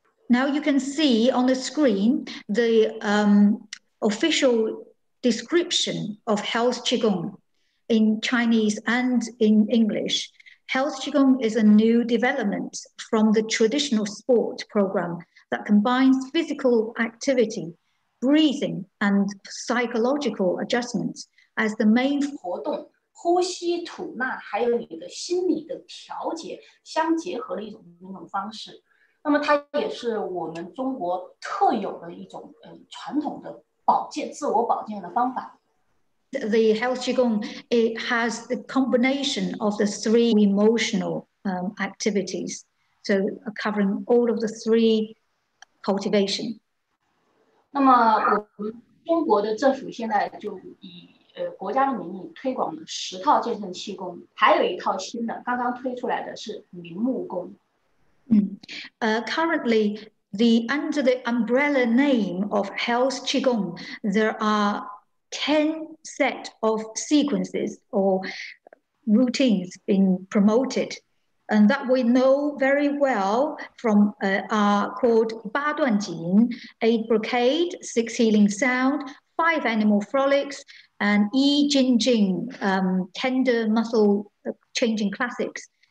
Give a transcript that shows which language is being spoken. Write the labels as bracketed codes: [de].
[en] Now you can see on the screen the official description of health qigong in Chinese and in English. Health qigong is a new development from the traditional sport program that combines physical activity. Breathing and psychological adjustments as the main [zh] 活动、呼吸、吐纳，还有你的心理的调节相结合的一种方式。那么它也是我们中国特有的一种传统的保健、自我保健的方法。 [en] The health qigong it has the combination of the three emotional activities, so covering all of the three cultivation. [zh] 那么我们中国的政府现在就以国家的名义推广了十套健身气功，还有一套新的刚刚推出来的是明目功。 [en] Currently, the under the umbrella name of health qigong, there are 10 set of sequences or routines being promoted, and that we know very well from are called 八段锦, 8 brocade, 6 healing sound, 5 animal frolics, and Yi Jin Jing, tender muscle changing classics.